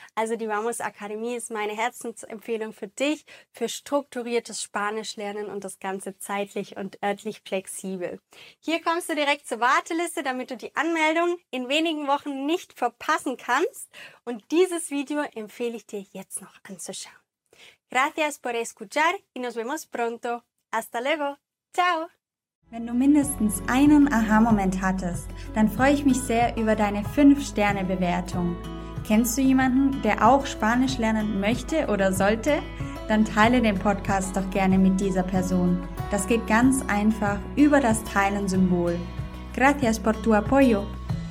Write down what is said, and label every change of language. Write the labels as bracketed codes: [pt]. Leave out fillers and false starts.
[de] Also die Vamos Akademie ist meine Herzensempfehlung für dich, für strukturiertes Spanischlernen und das Ganze zeitlich und örtlich flexibel. Hier kommst du direkt zur Warteliste, damit du die Anmeldung in wenigen Wochen nicht verpassen kannst. Und dieses Video empfehle ich dir jetzt noch anzuschauen. [es] Gracias por escuchar y nos vemos pronto. Hasta luego. Ciao. [de] Wenn du mindestens einen Aha-Moment hattest, dann freue ich mich sehr über deine 5-Sterne-Bewertung. Kennst du jemanden, der auch Spanisch lernen möchte oder sollte? Dann teile den Podcast doch gerne mit dieser Person. Das geht ganz einfach über das Teilen-Symbol. [es] Gracias por tu apoyo.